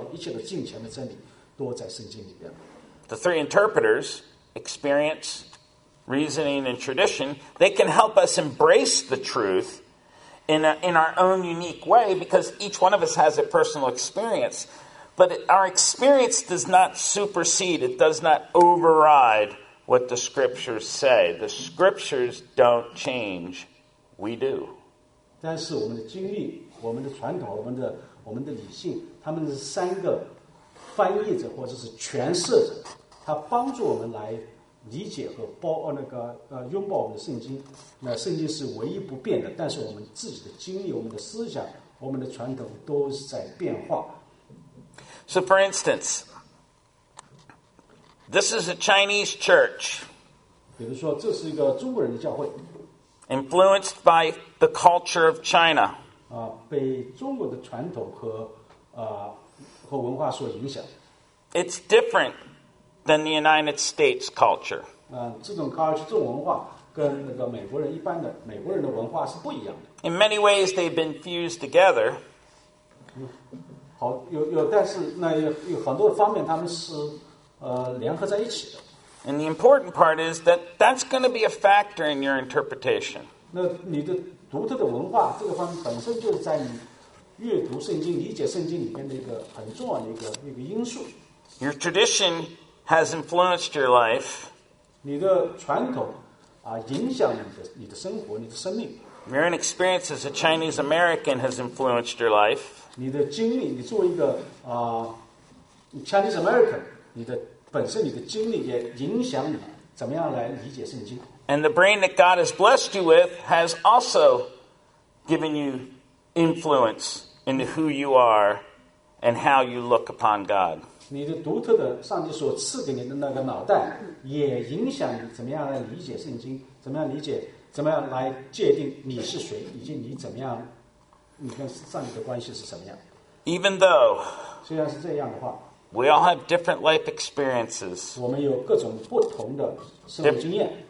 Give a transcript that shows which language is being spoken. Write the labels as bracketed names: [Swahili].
[Chinese] 所需要的一切敬虔的真理，在实际上这一边，意思就是我们还活着的时候所需要的一切的敬虔的真理，都在圣经里边。The [English] three interpreters, experience, reasoning, and tradition, they can help us embrace the truth in our own unique way, because each one of us has a personal experience. But our experience does not supersede, it does not override what the scriptures say. The scriptures don't change We do. [Chinese] 但是我们的经历、我们的传统、我们的理性，他们是三个翻译者或者是诠释者，他帮助我们来理解和拥抱我们的圣经。那圣经是唯一不变的，但是我们自己的经历、我们的思想、我们的传统都是在变化。 [English] So for instance, this is a Chinese church. [Chinese] 比如说，这是一个中国人的教会。 [English] Influenced by the culture of China. [Chinese] 被中国的传统和和文化所影响。 [English] It's different than the United States culture. [Chinese] 这种 culture, 这种文化跟那个美国人一般的美国人的文化是不一样的。 [English] In many ways, they've been fused together. [Chinese] 好，有，但是那有很多方面他们是联合在一起的。 [English] And the important part is that that's going to be a factor in your interpretation. [Chinese] 那你的独特的文化这个方面本身就是在你阅读圣经、理解圣经里面的一个很重要的一个因素。 [English] Your tradition has influenced your life. [Chinese] 你的传统影响你的生活、你的生命。 [English] Your own experience as a Chinese American has influenced your life. [Chinese] 你的经历，你作为一个Chinese American， 你的本身你的经历也影响你怎么样来理解圣经。 [English] And the brain that God has blessed you with has also given you influence into who you are and how you look upon God. [Chinese] 你的独特的上帝所赐给你的那个脑袋也影响你怎么样来理解圣经，怎么样来界定你是谁，以及你怎么样，你跟上帝的关系是什么样。 [English] Even though, [Chinese] 虽然是这样的话， [English] We all have different life experiences. [Chinese] 我们有各种不同的生活经验。